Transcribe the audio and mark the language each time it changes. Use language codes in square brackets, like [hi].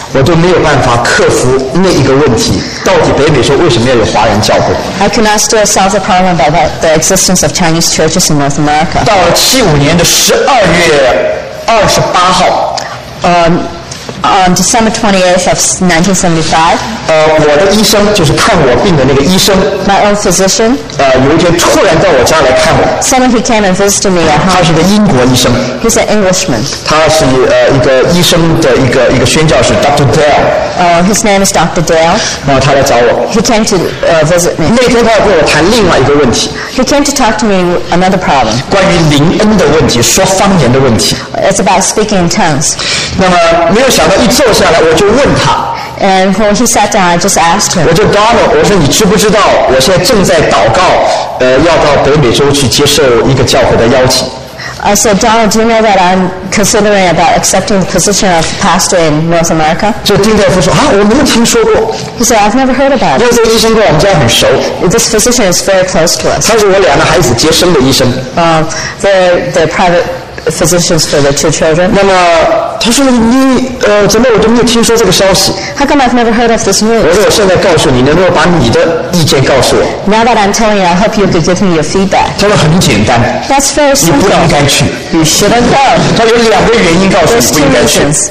[zh] 我都没有办法克服那一个问题，到底北美洲为什么要有华人教会 [en] ？I cannot still solve the problem about the existence of Chinese churches in North America. [zh] 到了75年12月28号。 [en] On December 28th, 1975. [zh] 我的医生就是看我病的那个医生。 [en] My own physician. [zh] 有一天突然到我家来看我。 [en] Someone who came and visited me at home. [zh] 他是个英国医生。 [en] He's an Englishman. [zh] 他是一个医生的一个宣教士 ，Dr. [en] Dale. His name is Dr. Dale. [zh] 然后他来找我。 [en] He came to visit me. [zh] 那天他要跟我谈另外一个问题。 [en] He came to talk to me another problem. [zh] 关于灵恩的问题，说方言的问题。 [en] It's about speaking in tongues. [zh] 那么没有想到一坐下来我就问他。 [en] And when he sat down, I just asked him. [zh] 我就 Donald， 我说你知不知道我现在正在祷告，要到北美洲去接受一个教会的邀请。 [en] I said, Donald, do you know that I'm considering about accepting the position of pastor in North America? [zh] 就丁大夫说, 啊, 我没听说过。 [en] He said, I've never heard about it. [zh] 因为这个医生跟我们家很熟。 [en] This physician is very close to us. [zh] 他是我两个孩子接生的医生。 [en] The private physicians for the two children. [zh] 那么他说你, 怎么我都没有听说这个消息。 [en] How come I've never heard of this news? [zh] 我说我现在告诉你, 能够把你的意见告诉我。 [en] Now that I'm telling you, I hope you could give me your feedback. [zh] 他说很简单。 [en] That's very simple. [zh] 你不应该去。 [en] You shouldn't go. [zh] 他有两个原因告诉你不应该去。